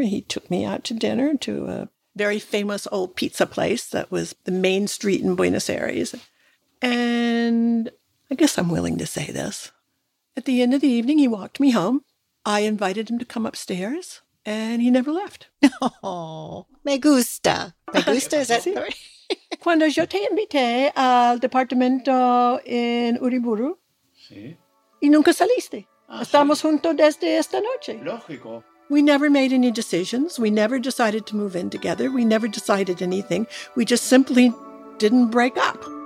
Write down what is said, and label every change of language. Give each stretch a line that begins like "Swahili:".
English: He took me out to dinner to a very famous old pizza place that was the main street in Buenos Aires. And I guess I'm willing to say this. At the end of the evening, he walked me home. I invited him to come upstairs, and he never left.
Spanish: Oh, me gusta. Me gusta,
English: is that the word?
Spanish: Cuando yo te invité al departamento en Uriburu, sí. Y nunca saliste. Ah, estamos sí. Juntos desde esta noche. Lógico.
English: We never made any decisions. We never decided to move in together. We never decided anything. We just simply didn't break up.